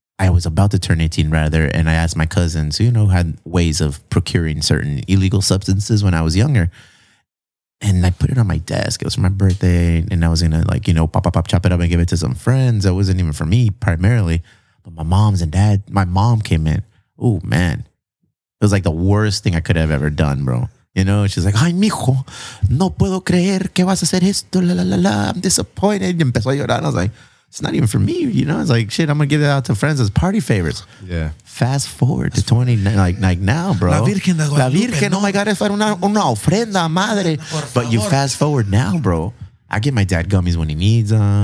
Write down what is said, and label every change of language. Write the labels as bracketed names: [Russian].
[English] I was about to turn 18, rather, and I asked my cousins, you know, who had ways of procuring certain illegal substances when I was younger. And I put it on my desk. It was for my birthday, and I was going to, like, you know, pop, pop, pop, chop it up and give it to some friends. It wasn't even for me, primarily. But my mom's and dad, my mom came in. Oh, man. It was, like, the worst thing I could have ever done, bro. You know, she's like, [Spanish] ay, mijo, no puedo creer que vas a hacer esto, la, la, la, la. [English] I'm disappointed. [Spanish] Y empezó a llorar. [English] I was like, it's not even for me, you know? It's like, shit, I'm going to give it out to friends as party favors. Yeah. Fast forward to 20, like now, bro. [Spanish] La Virgen de Guadalupe. La Virgen, no. [English] Oh my God, [Spanish] es una ofrenda, madre. [English] But you fast forward now, bro. I get my dad gummies when he needs them.